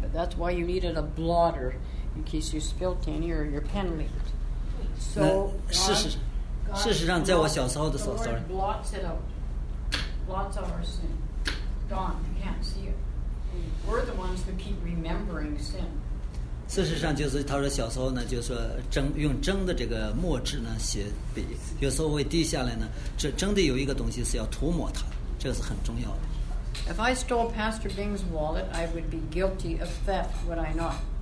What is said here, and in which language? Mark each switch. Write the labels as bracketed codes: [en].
[en] But that's why you needed a blotter in case you spilled any or your pen leaked. So, God, the Lord blots it out. Blots out our sin. Gone. You can't see it. We're the ones who keep remembering sin. [zh] 事实上就是他说小时候呢就是用蒸的这个墨汁呢写笔，有时候会滴下来呢，蒸的有一个东西是要涂抹它，这个是很重要的。 [en] If I stole Pastor Bing's wallet, I would be guilty of theft, would I not?